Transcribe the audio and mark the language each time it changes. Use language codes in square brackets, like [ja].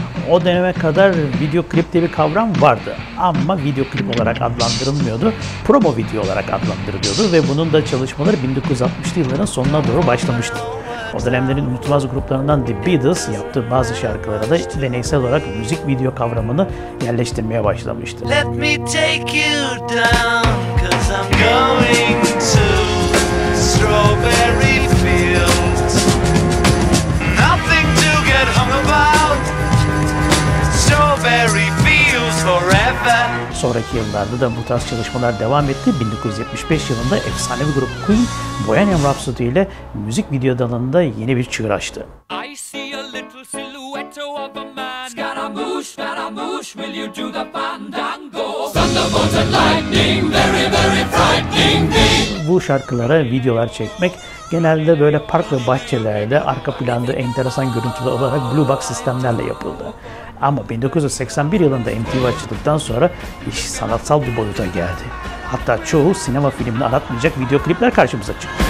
[tr] O döneme kadar video klip diye bir kavram vardı ama video klip olarak adlandırılmıyordu, promo video olarak adlandırılıyordu ve bunun da çalışmaları 1960'lı yılların sonuna doğru başlamıştı. O dönemlerin unutulmaz gruplarından The Beatles yaptığı bazı şarkılara da deneysel olarak müzik video kavramını yerleştirmeye başlamıştı. [en] Let me take you down, 'cause I'm going to strawberry fields. Nothing to get hung about. Strawberry fields forever. [tr] Sonraki yıllarda da bu tarz çalışmalar devam etti. 1975 yılında efsanevi grup Queen, Bohemian Rhapsody ile müzik video dalında yeni bir çığır açtı. [en] I see a little silhouette of a man. Scaramouche, Scaramouche, will you do the fandango? Thunderbolt and lightning, very very frightening me. [tr] Bu şarkılara videolar çekmek genelde böyle park ve bahçelerde arka planda enteresan görüntüler olarak Blue Box sistemlerle yapıldı. Ama 1981 yılında MTV açıldıktan sonra iş sanatsal bir boyuta geldi. Hatta çoğu sinema filmini aratmayacak video klipler karşımıza çıktı.